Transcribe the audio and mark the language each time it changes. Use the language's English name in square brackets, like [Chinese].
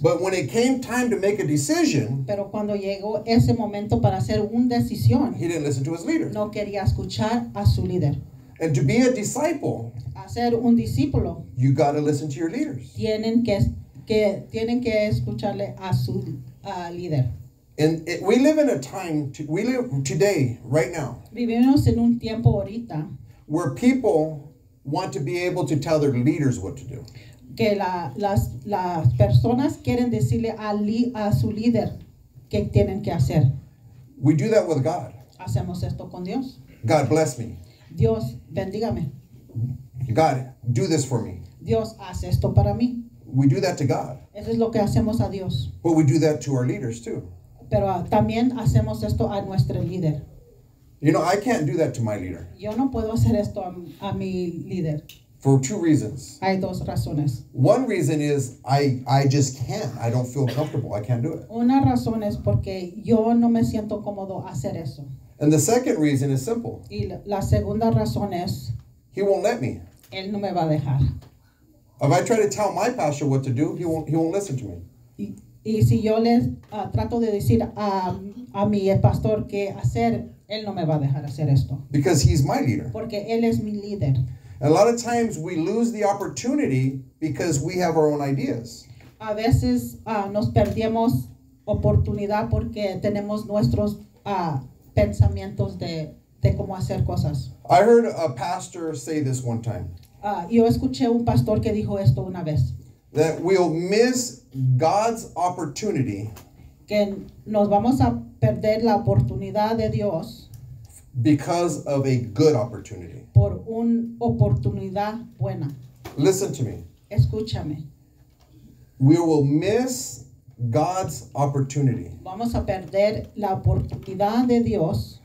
[English] But when it came time to make a decision, [Spanish] pero cuando llegó ese momento para hacer una decisión, [English] he didn't listen to his leader. [Spanish] No quería escuchar a su líder. [English] And to be a disciple, [Spanish] hacer un discípulo, [English] you got to listen to your leaders. [Spanish] Tienen que escucharle a su líder. [English] And we live today, right now, [Spanish] vivimos en un tiempo ahorita, [English] where people want to be able to tell their leaders what to do. [Spanish] Que las personas quieren decirle a su líder qué tienen que hacer. [English] We do that with God. [Spanish] Hacemos esto con Dios. [English] God bless me. [Spanish] Dios bendígame. [English] God, do this for me. [Spanish] Dios hace esto para mí. [English] We do that to God. [Spanish] Eso es lo que hacemos a Dios. [English] But we do that to our leaders too. [Spanish] Pero también hacemos esto a nuestro líder. [English] You know, I can't do that to my leader. [Spanish] Yo no puedo hacer esto a mi líder. [English] For two reasons. [Spanish] Hay dos razones. [English] One reason is I just can't. I don't feel comfortable. I can't do it. [Spanish] Una razón es porque yo no me siento cómodo hacer eso. [English] And the second reason is simple. [Spanish] Y la segunda razón es, [English] he won't let me. [Spanish] Él no me va a dejar. [English] If I try to tell my pastor what to do, he won't listen to me. [Spanish] Y si yo le trato de decir a mi pastor qué hacer, él no me va a dejar hacer esto. [English] Because he's my leader. [Spanish] Porque él es mi líder. [English] A lot of times we lose the opportunity because we have our own ideas. [Spanish] A veces nos perdemos oportunidad porque tenemos nuestros pensamientos de cómo hacer cosas. [English] I heard a pastor say this one time. [Spanish] Yo escuché un pastor que dijo esto una vez. [English] That we'll miss God's opportunity. [Spanish] Que nos vamos a perder la oportunidad de Dios. [English] Because of a good opportunity. [Spanish] Por una oportunidad buena. [English] Listen to me. [Spanish] Escúchame. [English] We will miss God's opportunity. [Spanish] Vamos a perder la oportunidad de Dios.